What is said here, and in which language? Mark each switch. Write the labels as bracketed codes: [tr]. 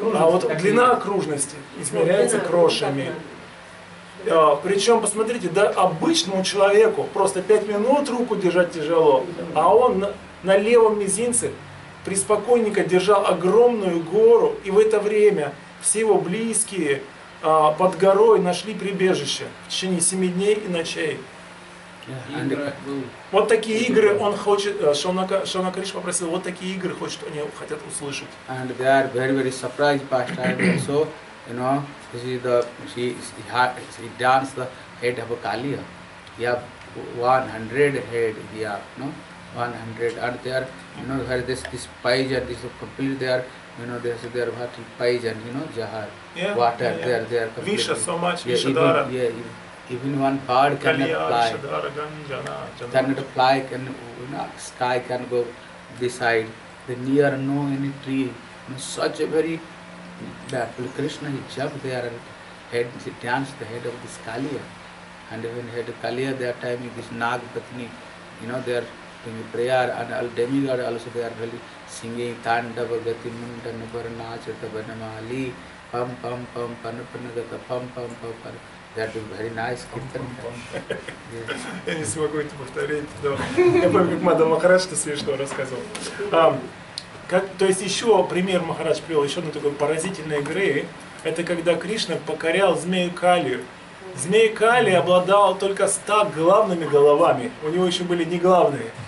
[ru] А вот длина окружности измеряется крошами. Причем, посмотрите, да, обычному человеку просто 5 минут руку держать тяжело, а он на левом мизинце преспокойненько держал огромную гору, и в это время все его близкие под горой нашли прибежище в течение 7 дней и ночей. Вот такие игры он хочет, Шона Кариш попросил, вот такие игры хочет, они хотят услышать. [en] And they are very, very surprised past time also, you know, this is the, she danced the head of Kali. He have 100 head here, you know, 100, and they are, you know, there is this page and this is complete there, you know, there is their what is page and, you know, Jahar, yeah, water, yeah, yeah. They are complete. Visha so much, yeah, Vishadara. Even, yeah, even, even one bird cannot fly. Cannot fly, can, you know, sky can go this side. The near no any tree. And such a very beautiful Krishna, he jumped there and head, he danced the head of this Kaliya. And even head of Kaliya, that time this Nag Patni, you know, they are doing prayer and all demigod also they are really singing [sa] Tandava Gati Munda Nabarana Chatabana Mali, Pam Pam [en] Pam Panapanagata Pam Pam Pam Pam. That is very nice. [ru] Я не смогу это повторить, но я помню, как Мадхава Махарадж это смешно рассказывал. То есть еще пример Махарадж привел, еще одна такой поразительной игры, это когда Кришна покорял змею Кали. Змей Кали обладал только 100 главными головами, у него еще были не главные.